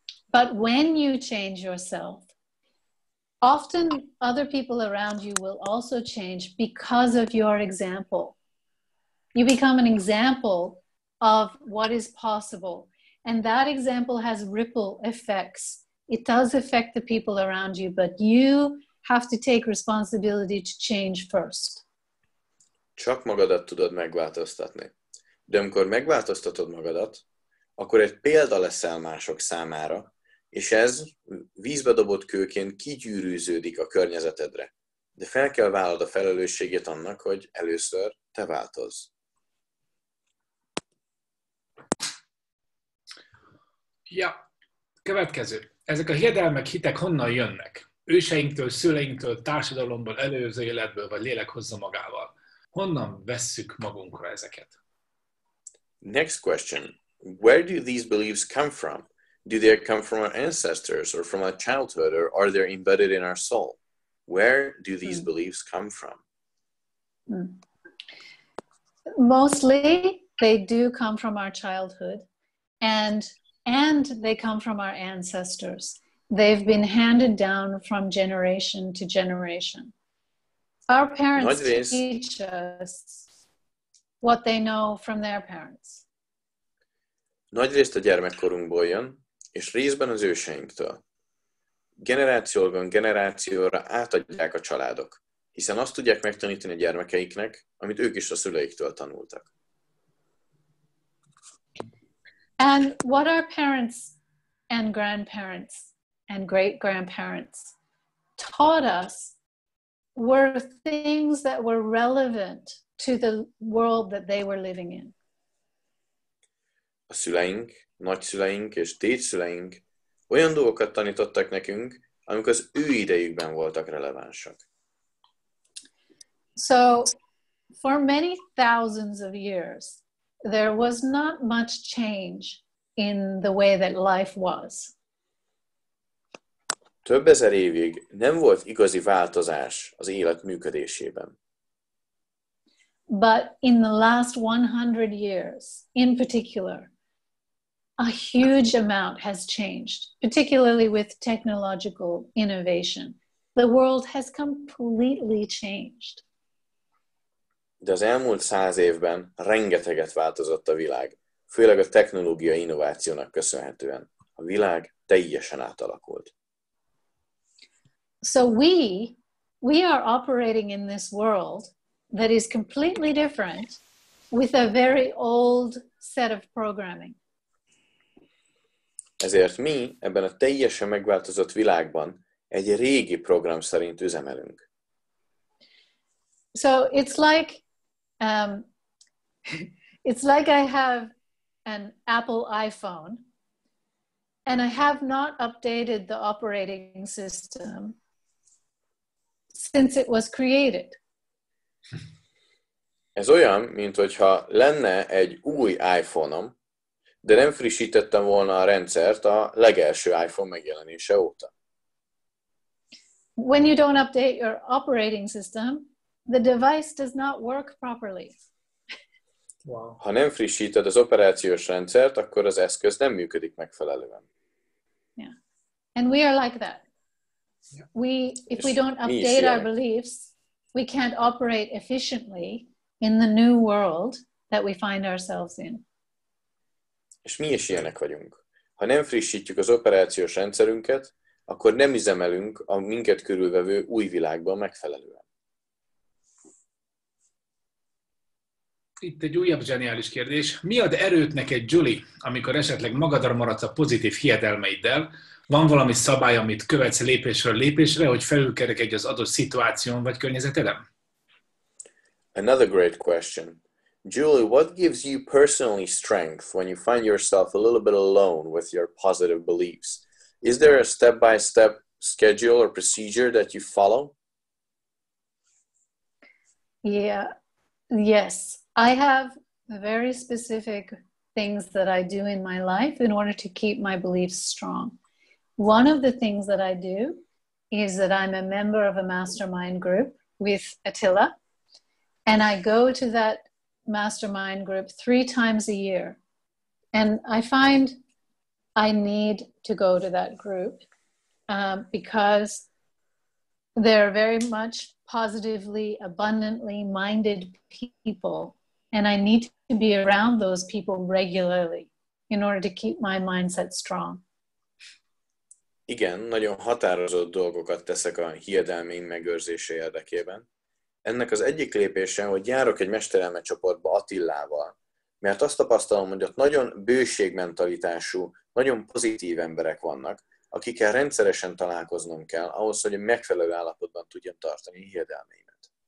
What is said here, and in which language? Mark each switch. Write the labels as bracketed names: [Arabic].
[English] But when you change yourself, often other people around you will also change because of your example. You become an example of what is possible. And that example has ripple effects. It does affect the people around you, but you have to take responsibility to change first. [Hungarian] Csak magadat tudod megváltoztatni. De amikor megváltoztatod magadat, akkor egy példa leszel mások számára, és ez vízbe dobott kőként kigyűrűződik a környezetedre. De fel kell vállalod a felelősséget annak, hogy először te változz. Ja, következő. Ezek a hiedelmek, hitek honnan jönnek? őseinktől, szüleinktől, társadalomból, előző életből, vagy lélek hozza magával. Honnan vesszük magunkra ezeket? [English] Next question. Where do these beliefs come from? Do they come from our ancestors or from our childhood or are they embedded in our soul? Where do these beliefs come from? Mostly they do come from our childhood and they come from our ancestors. They've been handed down from generation to generation. Our parents teach us what they know from their parents. [Hungarian] Nagy részt a gyermekkorunkból jön, és részben az őseinktől. Generációban generációra átadják a családok, hiszen azt tudják megtanítani a gyermekeiknek, amit ők is a szüleiktől tanultak. [English] And what our parents and grandparents and great-grandparents taught us were things that were relevant to the world that they were living in. [Hungarian] A szüleink, nagyszüleink és dédszüleink olyan dolgokat tanítottak nekünk, amik az ő idejükben voltak relevánsak. [English] So, for many thousands of years, there was not much change in the way that life was. [Hungarian] Több ezer évig nem volt igazi változás az élet működésében. [English] But in the last 100 years, in particular, a huge amount has changed, particularly with technological innovation. The world has completely changed. [Hungarian] De az elmúlt 100 évben rengeteget változott a világ, főleg a technológia innovációnak köszönhetően. A világ teljesen átalakult. [English] So we are operating in this world that is completely different with a very old set of programming. [Hungarian] Ezért mi ebben a teljesen megváltozott világban egy régi program szerint üzemelünk. [English] So it's like I have an Apple iPhone and I have not updated the operating system since it was created. [Hungarian] Ez olyan, mint hogyha lenne egy új iPhone-om, de nem frissítettem volna a rendszert a legelső iPhone megjelenése óta. [English] When you don't update your operating system, the device does not work properly. Wow. [Hungarian] Ha nem frissíted az operációs rendszert, akkor az eszköz nem működik megfelelően. [English] Yeah. And we are like that. Yeah. If we don't update our beliefs, we can't operate efficiently in the new world that we find ourselves in. [Hungarian] És mi is ilyenek vagyunk. Ha nem frissítjük az operációs rendszerünket, akkor nem üzemelünk a minket körülvevő új világban megfelelően. Itt egy újabb zseniális kérdés. Mi ad erőt neked, Julie, amikor esetleg magadra maradsz a pozitív hiedelmeiddel? Van valami szabály, amit követsz lépésről lépésre, hogy felülkerekedj az adott szituáción vagy környezetedem? [English] Another great question. Julie, what gives you personally strength when you find yourself a little bit alone with your positive beliefs? Is there a step-by-step schedule or procedure that you follow? Yes. I have very specific things that I do in my life in order to keep my beliefs strong. One of the things that I do is that I'm a member of a mastermind group with Attila, and I go to that mastermind group 3 times a year. And I find I need to go to that group because they're very much positively, abundantly minded people. And I need to be around those people regularly in order to keep my mindset strong. [Hungarian] Igen, nagyon határozott dolgokat teszek a hiedelmeim megőrzése érdekében. Ennek az egyik lépése, hogy járok egy mesterelme csoportba Attilával, mert azt tapasztalom, hogy ott nagyon bőségmentalitású, nagyon pozitív emberek vannak, akikkel rendszeresen találkoznom kell ahhoz, hogy megfelelő állapotban tudjam tartani hiedelmeimet.